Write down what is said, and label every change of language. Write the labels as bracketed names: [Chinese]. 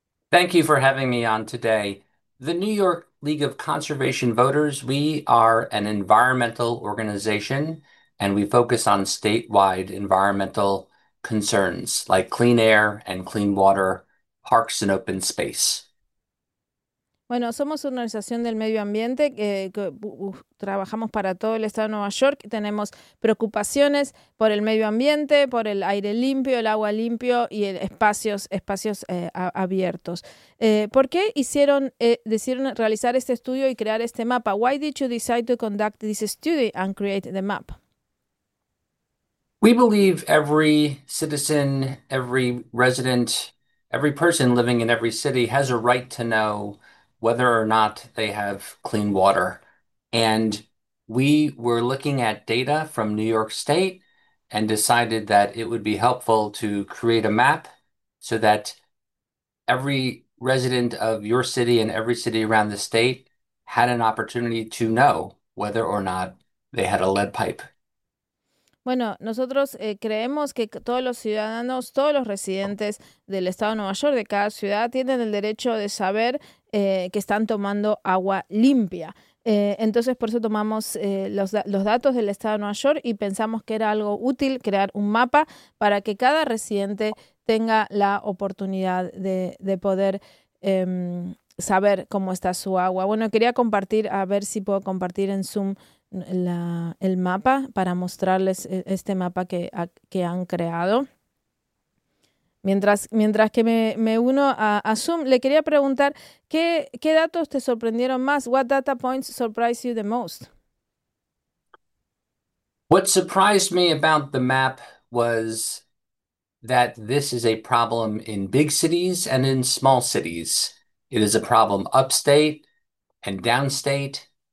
[English] Thank you for having me on today. The New York League of Conservation Voters, we are an environmental organization. And we focus on statewide environmental concerns like clean air and clean water, parks and open space. [Spanish] Bueno, somos una organización del medio ambiente que trabajamos para todo el estado de Nueva York. Tenemos preocupaciones por el medio ambiente, por el aire limpio, el agua limpio y espacios abiertos. ¿Por qué decidieron realizar este estudio y crear este mapa? [English] Why did you decide to conduct this study and create the map? We believe every citizen, every resident, every person living in every city has a right to know whether or not they have clean water. And we were looking at data from New York State and decided that it would be helpful to create a map so that every resident of your city and every city around the state had an opportunity to know whether or not they had a lead pipe. [Spanish] Bueno, nosotros creemos que todos los ciudadanos, todos los residentes del estado de Nueva York, de cada ciudad, tienen el derecho de saber que están tomando agua limpia. Entonces, por eso tomamos los datos del estado de Nueva York y pensamos que era algo útil crear un mapa para que cada residente tenga la oportunidad de poder saber cómo está su agua. Bueno, quería compartir, a ver si puedo compartir en Zoom el mapa para mostrarles este mapa que han creado. Mientras que me uno a Zoom, le quería preguntar qué datos te sorprendieron más. [English] What data points surprised you the most? What surprised me about the map was that this is a problem in big cities and in small cities. It is a problem upstate and downstate.